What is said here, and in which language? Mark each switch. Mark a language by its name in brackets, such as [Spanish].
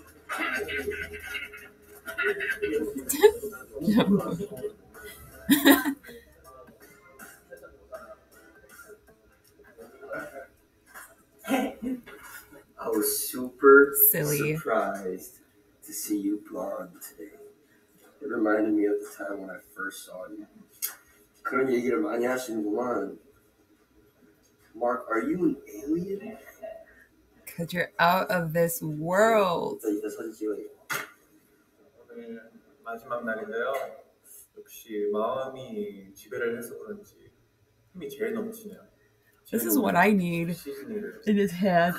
[English] I was super silly surprised to see you blonde today. It reminded me of the time when I first saw you. [Korean] 그런 얘기를 많이 하시는구만. [English] Mark, are you an alien? Because you're out of this world. [Korean] 이제 사진 찍어요. 오늘 마지막 날인데요. 역시 마음이 지배를 해서 그런지 힘이 제일 넘치네요. [English] This is what I need in this head.